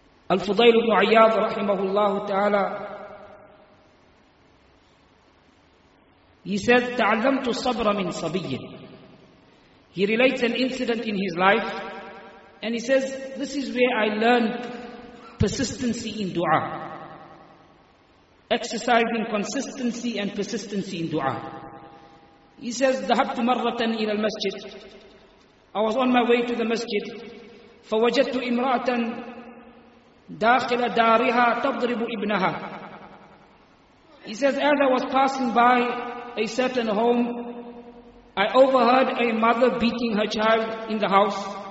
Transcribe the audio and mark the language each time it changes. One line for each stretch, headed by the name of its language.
English: Al-Fudayl ibn Iyad rahimahullahu ta'ala, he said,
Arabic: تَعَلَّمْتُ الصَّبْرَ مِنْ صَبِيٍّ.
English: He relates an incident in his life, and he says, this is where I learned persistency in dua. Exercising consistency and persistency in dua. He says,
Arabic: ذَهَبْتُ مَرَّةً إِلَى الْمَسْجِدِ.
English: I was on my way to the masjid.
Arabic: فَوَجَدْتُ إِمْرَأَةً دَاخِلَ دَارِهَا تَضْرِبُ إِبْنَهَا.
English: He says, as I was passing by a certain home, I overheard a mother beating her child in the house.